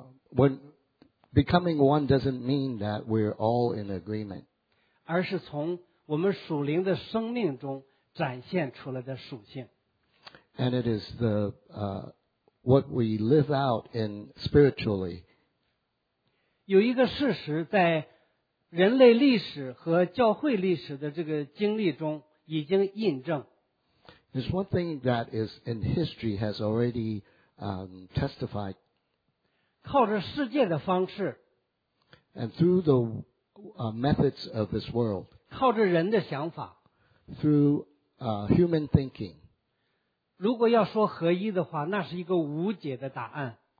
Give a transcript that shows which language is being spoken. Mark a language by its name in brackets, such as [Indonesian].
[English] When becoming one doesn't mean that we're all in agreement. [Chinese] 而是从我们属灵的生命中展现出来的属性。 [English] And it is the, what we live out in spiritually. [Chinese] 有一个事实在人类历史和教会历史的这个经历中已经印证。 [English] There's one thing that is in history has already, testified. [Chinese] 靠着世界的方式。 [English] And through the, methods of this world. [Chinese] 靠着人的想法 [English] through human thinking [Chinese] 如果要说合一的话那是一个无解的答案